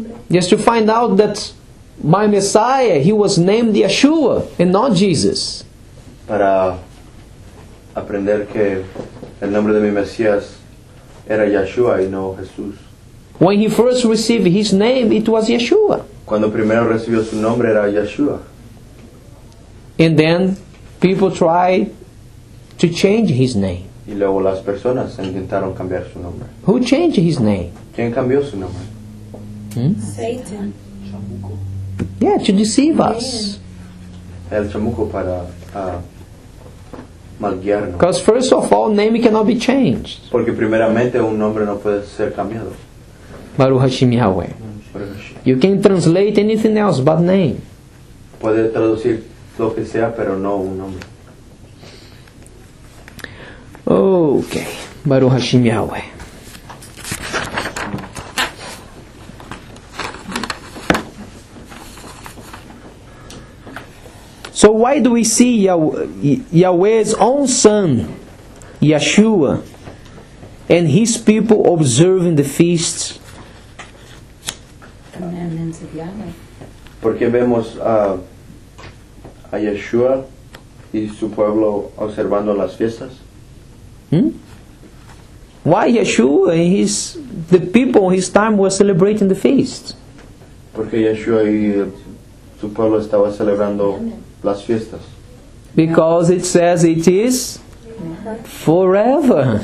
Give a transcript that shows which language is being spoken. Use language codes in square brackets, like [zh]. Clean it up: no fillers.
[en] Just to find out that my Messiah, he was named Yeshua and not Jesus. [es] Para aprender que el nombre de mi Mesías era Yeshua y no Jesús. [en] When he first received his name, it was Yeshua. [es] Cuando primero recibió su nombre, era Yeshua. [en] And then people tried to change his name. [es] Y luego las personas intentaron cambiar su nombre. [en] Who changed his name? [es] ¿Quién cambió su nombre? [en] Satan. Yeah, to deceive us. [es] El chamuco para malguiarnos. [en] Because first of all, name cannot be changed. [es] Porque primeramente un nombre no puede ser cambiado. [he] Baruch Hashem Yahweh. [en] You can translate anything else but name. [es] Puede traducir lo que sea, pero no un nombre. [he] Okay, Baruch Hashem Yahweh. [en] So why do we see Yahweh's own son, Yeshua, and his people observing the feasts? [es] Porque vemos a Yeshua y su pueblo observando las fiestas. [en] Why Yeshua and the people his time were celebrating the feasts? [es] Porque Yeshua y su pueblo estaba celebrando las fiestas. [en] Because it says it is forever.